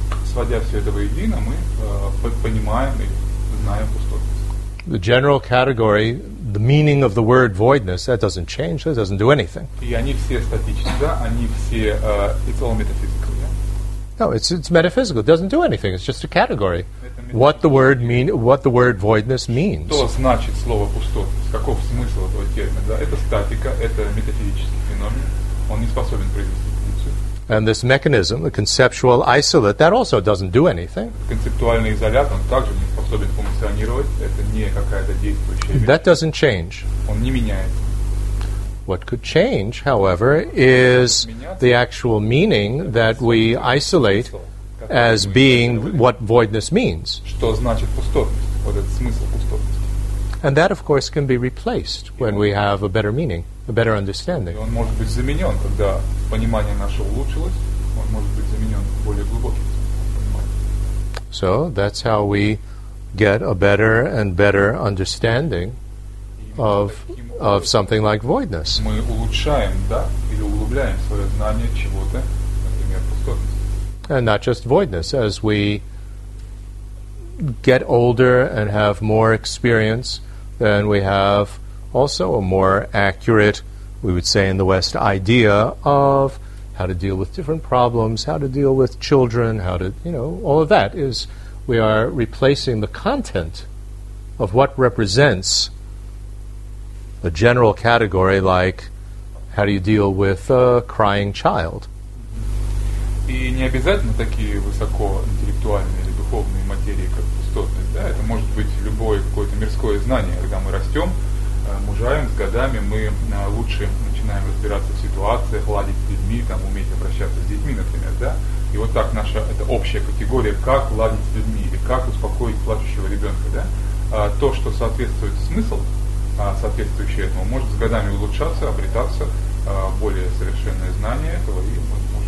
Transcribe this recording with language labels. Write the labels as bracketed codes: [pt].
[ru] Сводя все это воедино, мы понимаем и знаем пустотность. [en] The general category, the meaning of the word voidness, that doesn't change, that doesn't do anything. [ru] И они все статичны, да, они все, [en] it's all metaphysical, [ru] да? [en] Yeah? No, it's metaphysical, it doesn't do anything, it's just a category. What the word voidness means. [ru] Что значит слово пустотность? Каков смысл этого термина? Да? Это статика, это метафизический феномен. Он не способен произвести функцию. [en] And this mechanism, the conceptual isolate, that also doesn't do anything. [ru] Концептуальный изолят, он также не способен функционировать. Это не какая-то действующая вещь. [en] That doesn't change. [ru] Он не меняется. [en] What could change, however, is the actual meaning that we isolate as being what voidness means. [ru] Что значит пустотность? Вот этот смысл пустотности. [en] And that, of course, can be replaced when we have a better meaning, a better understanding. [ru] И он может быть заменен, когда понимание наше улучшилось, он может быть заменен более глубоким пониманием. [en] So that's how we get a better and better understanding of something like voidness. [ru] Мы улучшаем, да, или углубляем свое знание чего-то, например, пустотности. [en] And not just voidness. As we get older and have more experience, then we have also a more accurate, we would say in the West, idea of how to deal with different problems, how to deal with children, how to, you know, all of that is, we are replacing the content of what represents a general category, like how do you deal with a crying child. [ru] И не обязательно такие высокоинтеллектуальные или духовные материи, как пустотность, да, это может быть любое какое-то мирское знание, когда мы растем, мужаем, с годами мы лучше начинаем разбираться в ситуациях, ладить с людьми, там, уметь обращаться с детьми, например, да, и вот так наша, это общая категория, как ладить с людьми или как успокоить плачущего ребенка, да, то, что соответствует смысл, соответствующий этому, может с годами улучшаться, обретаться более совершенное знание этого, и мы